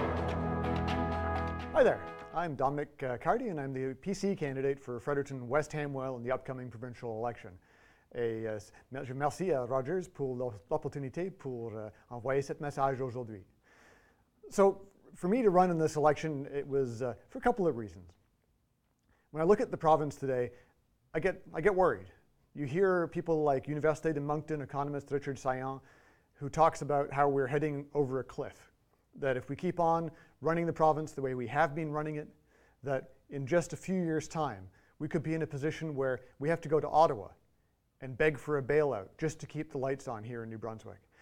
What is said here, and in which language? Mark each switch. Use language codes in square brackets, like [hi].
[en] Hi there, I'm Dominic Cardi and I'm the PC candidate for Fredericton West-Hanwell in the upcoming provincial election. [fr] Merci à Rogers pour l'opportunité pour envoyer cette message aujourd'hui. So [en] for me to run in this election, it was for a couple of reasons. When I look at the province today, I get worried. You hear people like Université de Moncton economist Richard Sayon, who talks about how we're heading over a cliff, that if we keep on running the province the way we have been running it, that in just a few years' time, we could be in a position where we have to go to Ottawa and beg for a bailout just to keep the lights on here in New Brunswick.